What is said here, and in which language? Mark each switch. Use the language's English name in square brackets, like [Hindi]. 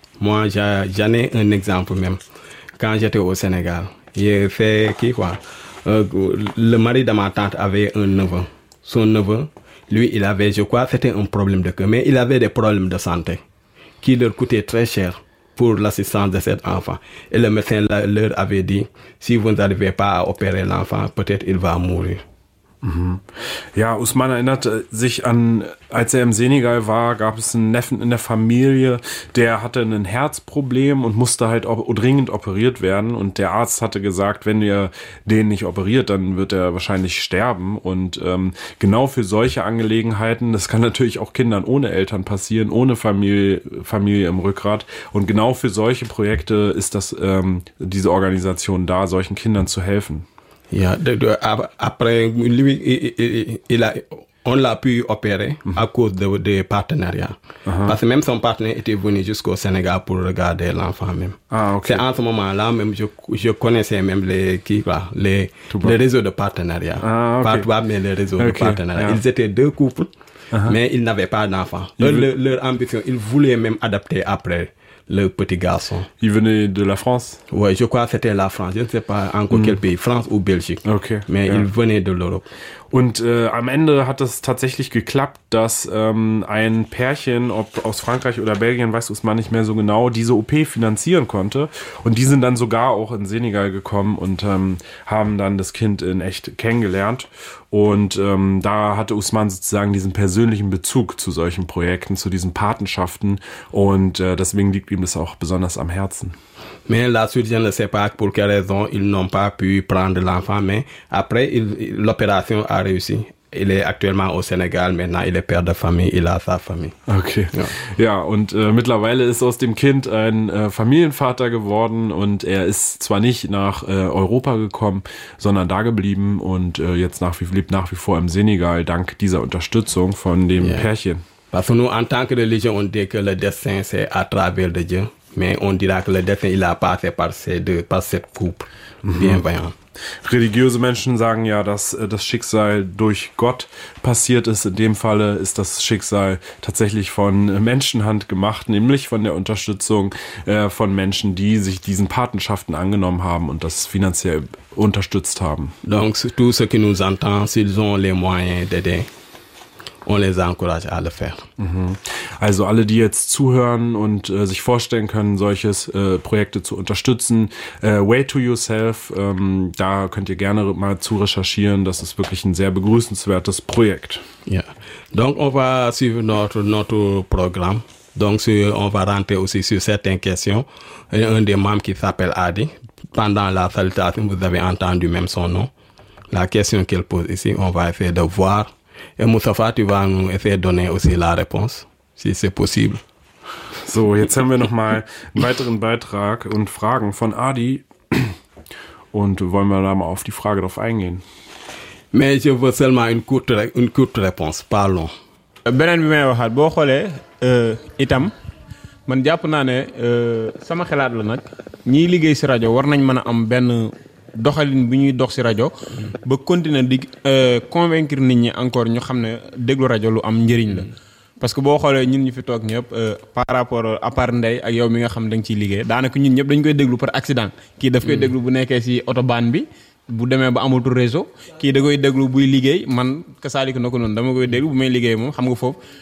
[French] Moi, j'en ai un exemple même. Quand j'étais au Sénégal, j'ai fait le mari de ma tante avait un neveu. Son neveu, lui, il avait, je crois, c'était un problème de queue, mais il avait des problèmes de santé qui leur coûtaient très cher pour l'assistance de cet enfant. Et le médecin leur avait dit, si vous n'arrivez pas à opérer l'enfant, peut-être il va mourir. Mhm. [German] Ja, Usman erinnert sich an, als er im Senegal war, gab es einen Neffen in der Familie, der hatte ein Herzproblem und musste halt dringend operiert werden. Und der Arzt hatte gesagt, wenn ihr den nicht operiert, dann wird er wahrscheinlich sterben. Und genau für solche Angelegenheiten, das kann natürlich auch Kindern ohne Eltern passieren, ohne Familie im Rückgrat. Und genau für solche Projekte ist das diese Organisation da, solchen Kindern zu helfen. [French] Yeah, après lui, on l'a pu opérer à cause de partenariats. Uh-huh. Parce que même son partenaire était venu jusqu'au Sénégal pour regarder l'enfant même. Ah, okay. C'est en ce moment-là même je connaissais même les réseaux de partenariat. Ah, okay. Pas toi, mais les réseaux de partenariat. Yeah. Ils étaient deux couples, mais ils n'avaient pas d'enfant. Leur ambition, ils voulaient même adapter après. Le petit garçon. Il venait de la France? Oui, je crois que c'était la France. Je ne sais pas encore quel pays, France ou Belgique. Okay, mais il venait de l'Europe. [German] Und am Ende hat es tatsächlich geklappt, dass ein Pärchen, ob aus Frankreich oder Belgien, weiß es man nicht mehr so genau, diese OP finanzieren konnte. Und die sind dann sogar auch in Senegal gekommen und haben dann das Kind in echt kennengelernt. Und da hatte Usman sozusagen diesen persönlichen Bezug zu solchen Projekten, zu diesen Patenschaften. Und deswegen liegt ihm das auch besonders am Herzen. [French] Mais la suite, je ne sais pas pour quelle raison ils n'ont pas pu prendre l'enfant, mais après, l'opération a réussi. Il est actuellement au Sénégal, maintenant il est père de famille, il a sa famille. Ok. [German] Ja, ja und mittlerweile ist aus dem Kind ein Familienvater geworden und er ist zwar nicht nach Europa gekommen, sondern da geblieben und jetzt lebt nach wie vor im Senegal dank dieser Unterstützung von dem Pärchen. [French] Parce que nous, en tant que religion, on dit que le destin, c'est à travers de Dieu. Mais on dira que le destin, il a passé par cette couple. Bienveillant. [German] Religiöse Menschen sagen ja, dass das Schicksal durch Gott passiert ist. In dem Falle ist das Schicksal tatsächlich von Menschenhand gemacht, nämlich von der Unterstützung von Menschen, die sich diesen Patenschaften angenommen haben und das finanziell unterstützt haben. [French] Donc, tous ceux qui nous entendent, s'ils ont les moyens d'aider. On les encourage à le faire. [German] Also alle, die jetzt zuhören und sich vorstellen können, solches Projekte zu unterstützen, Way to Yourself, da könnt ihr gerne mal zu recherchieren. Das ist wirklich ein sehr begrüßenswertes Projekt. Ja. [French] Donc on va suivre notre programme. Donc on va rentrer aussi sur certaines questions. Un des membres qui s'appelle Adi. Pendant la salutation, vous avez entendu même son nom. La question qu'il pose ici, on va essayer de voir. Et Moustapha, tu vas nous essayer de donner aussi la réponse, si c'est possible. So, jetzt haben wir nochmal einen weiteren Beitrag und Fragen von Adi. Und wollen wir da mal auf die Frage drauf eingehen. Mais je veux seulement une courte réponse, parlons. [Wolof] Benen bimé wahat, bo khole, itam, man diap nane, sama khelad la nak, ni ligé si radio, war nan mana am ben... doxaline biñuy dox ci radio ba continuer di convaincre nit ñi encore ñu xamne déglu radio lu am ñëriñ la parce que bo xolé ñun ñu fi tok ñëpp par rapport à part ndey ak yow mi nga xam dañ ci liggé danaka ñun ñëpp dañ koy déglu par accident ki daf koy déglu bu nekké ci autobahn bi bu démé ba amul tout réseau ki da koy déglu buy liggé man kassaliko nako non dama koy déglu bu may liggé mom xam nga fofu